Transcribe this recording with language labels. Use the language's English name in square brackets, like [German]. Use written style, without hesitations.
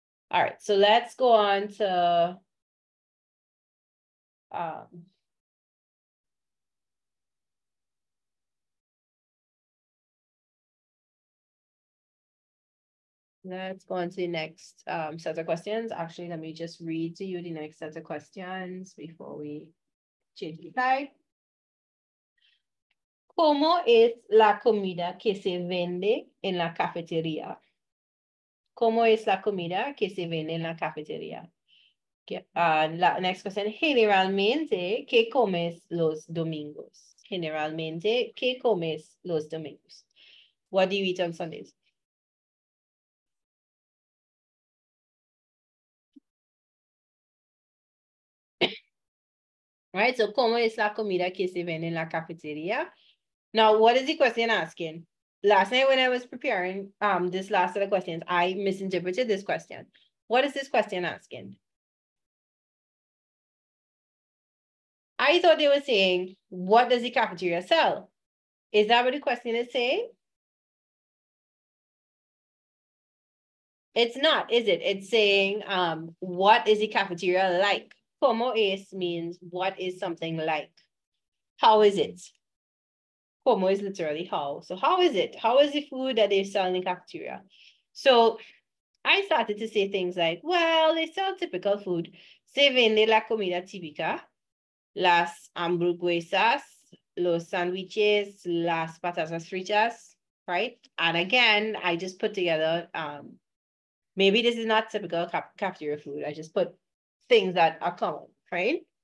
[English] All right, so let's go on to the next set of questions. Actually, let me just read to you the next set of questions before we change the slide. [Spanish] ¿Cómo es la comida que se vende en la cafetería? ¿Cómo es la comida que se vende en la cafetería? La [English] next question. [Spanish] Generalmente, ¿qué comes los domingos? Generalmente, ¿qué comes los domingos? [English] What do you eat on Sundays? [Spanish] Right, so ¿cómo es la comida que se vende en la cafetería? [English] Now, what is the question asking? Last night when I was preparing this last set of questions, I misinterpreted this question. What is this question asking? I thought they were saying, what does the cafeteria sell? Is that what the question is saying? It's not, is it? It's saying, what is the cafeteria like? ¿Cómo es means what is something like? How is it? ¿Cómo is literally how. So how is it? How is the food that they sell in the cafeteria? So I started to say things like, well, they sell typical food. [Spanish] Se vende la comida típica, las hamburguesas, los sandwiches, las patatas fritas, right? [English] And again, I just put together, maybe this is not typical cafeteria food. I just put things that are common, right?